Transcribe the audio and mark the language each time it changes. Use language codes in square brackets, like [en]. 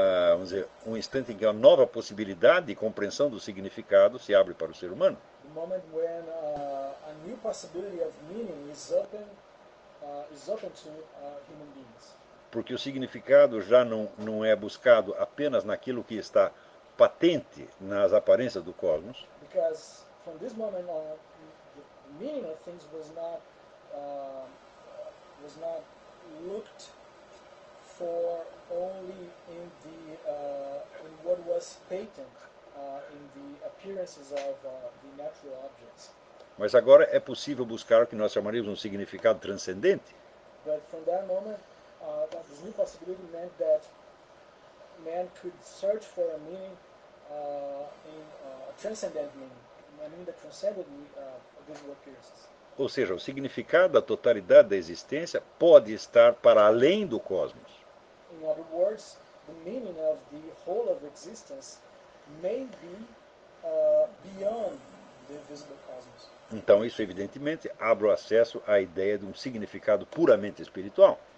[pt] vamos dizer, um instante em que uma nova possibilidade de compreensão do significado se abre para o ser humano. [en] The moment when a new possibility of meaning is open to human beings. [pt] Porque o significado já não é buscado apenas naquilo que está patente nas aparências do cosmos. [en] Because from this moment on, the meaning of things was not looked for only in the in what was patent in the appearances of the natural objects. [pt] Mas agora é possível buscar o que nós chamaríamos um significado transcendente. [en] But from that moment, this new possibility meant that man could search for a meaning a transcendent meaning, a meaning that transcended visual appearances. [pt] Ou seja, o significado da totalidade da existência pode estar para além do cosmos. [en] In other words, the meaning of the whole of existence may be beyond the visible cosmos. [pt] Então, isso evidentemente abre o acesso à ideia de um significado puramente espiritual.